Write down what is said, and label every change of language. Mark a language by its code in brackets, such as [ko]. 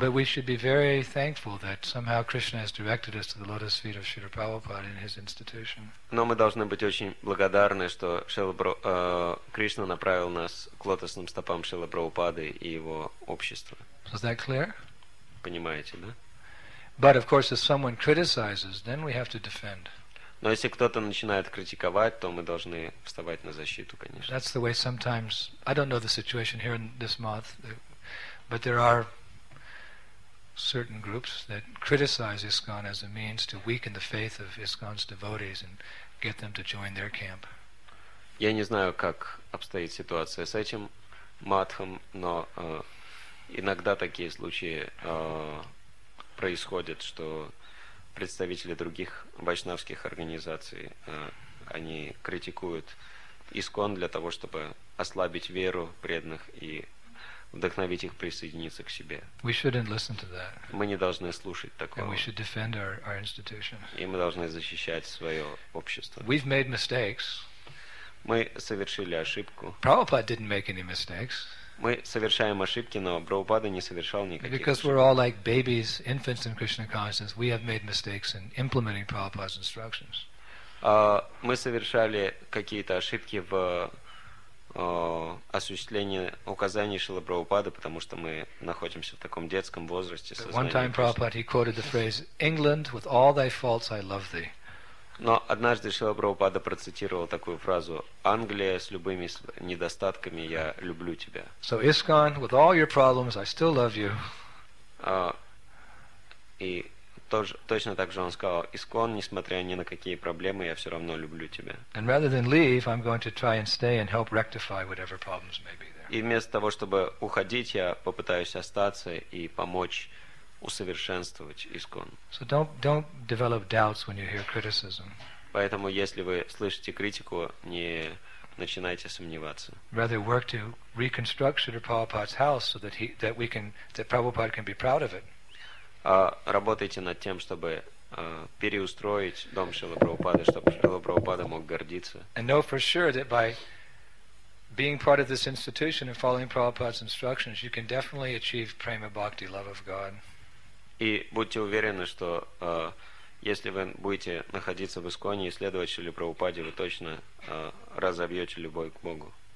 [en] But we should be very thankful that somehow Krishna has directed us to the lotus feet of Srila Prabhupada in his institution. [ru] Но мы должны быть очень благодарны, что Кришна направил нас к лотосным стопам Шрилы Прабхупады и его общества. [en] Is that clear? [ru] Понимаете, да? [en] But of course, if someone criticizes, then we have to defend. [ru] Но если кто-то начинает критиковать, то мы должны вставать на защиту, конечно. [en] That's the way sometimes. I don't know the situation here in this month, but there are certain groups that criticize ISKCON as a means to weaken the faith of ISKCON's devotees and get them to join their camp. [ru] Я не знаю, как обстоит ситуация с этим матхом, но иногда такие случаи происходят, что представители других вайшнавских организаций, они критикуют ИСКОН для того, чтобы ослабить веру преданных и вдохновить их присоединиться к себе. [en] We shouldn't listen to that. [ru] Мы не должны слушать такого. [en] And we should defend our institution. [ru] И мы должны защищать свое общество. [en] We've made mistakes. [ru] Мы совершили ошибку. [en] Prabhupada didn't make any mistakes. [ru] Мы совершаем ошибки, но Прабхупада не совершал никаких ошибок. [en] Because we're all like babies, infants in Krishna consciousness, we have made mistakes in implementing Prabhupada's instructions. [ru] Мы совершали какие-то ошибки в осуществлении указаний Шрилы Прабхупады, потому что мы находимся в таком детском возрасте. [en] One time Prabhupada, he quoted the phrase, "England, with all thy faults, I love thee." [ru] Но однажды Шрила Прабхупада процитировал такую фразу: «Англия с любыми недостатками, я люблю тебя». [en] So ISKCON, with all your problems, I still love you. [ru] И точно так же он сказал: «ИСККОН, несмотря ни на какие проблемы, я все равно люблю тебя». [en] And rather than leave, I'm going to try and stay and help rectify whatever problems may be there. [ru] И вместо того, чтобы уходить, я попытаюсь остаться и помочь усовершенствовать ИСККОН. [en] So don't develop doubts when you hear criticism. [ru] Поэтому, если вы слышите критику, не начинайте сомневаться. [en] Rather work to reconstruct Srila Prabhupada's house so that that Prabhupada can be proud of it. [ru] Работайте над тем, чтобы переустроить дом Шрилы Прабхупады, чтобы Шрила Прабхупада мог гордиться. [en] And know for sure that by being part of this institution and following Prabhupada's instructions, you can definitely achieve prema bhakti, love of God. [ru] И будьте уверены, что если вы будете находиться в ИСККОНе и следовать Шриле Прабхупаде, вы точно разобьете любовь к Богу.